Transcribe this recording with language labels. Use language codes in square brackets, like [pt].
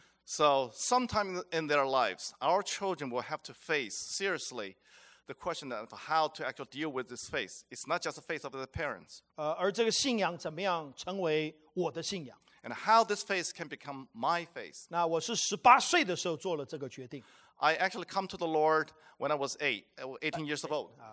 [en] So sometime in their lives, our children will have to face seriously the question of how to actually deal with this faith. It's not just the faith of the parents. [zh] 而这个信仰怎么样成为我的信仰 [en] ？And how this faith can become my faith? [zh] 那我是十八岁的时候做了这个决定。 [en] I actually come to the Lord when I was 18 years old.